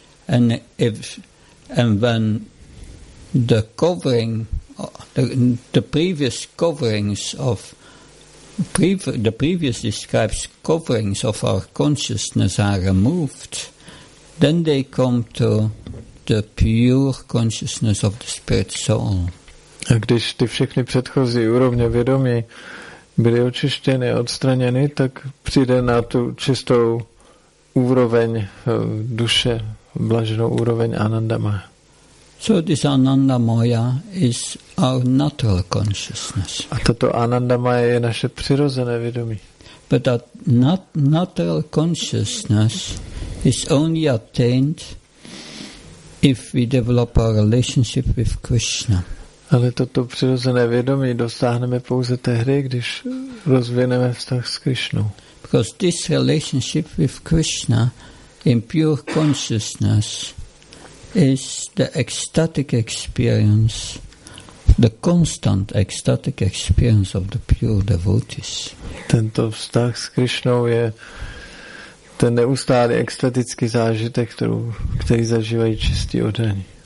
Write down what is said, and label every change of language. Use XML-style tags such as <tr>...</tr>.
<en>And when the covering, the previous coverings of the previous described coverings of our consciousness are removed, then they come to the pure consciousness of the spirit soul.</en> <cs>A když ty všechny předchozí úrovně vědomí byly očištěny a odstraněny, tak přijde na tu čistou úroveň duše, blaženou úroveň anandama.</cs> <en>So this anandamaya is our natural consciousness.</en> <cs>A toto anandamaya je naše přirozené vědomí.</cs> <en>But that natural consciousness is only attained if we develop our relationship with Krishna.</en> <cs>Ale toto přirozené vědomí dosáhneme pouze tehdy, když rozvineme vztah s Krishnou.</cs> <en>Because this relationship with Krishna in pure consciousness is the ecstatic experience, the constant ecstatic experience of the pure devotees.</en> <cs>Tento vztah s Krishnou je ten neustálý ekstatický zážitek, který zažívají čistí oddaní.</cs>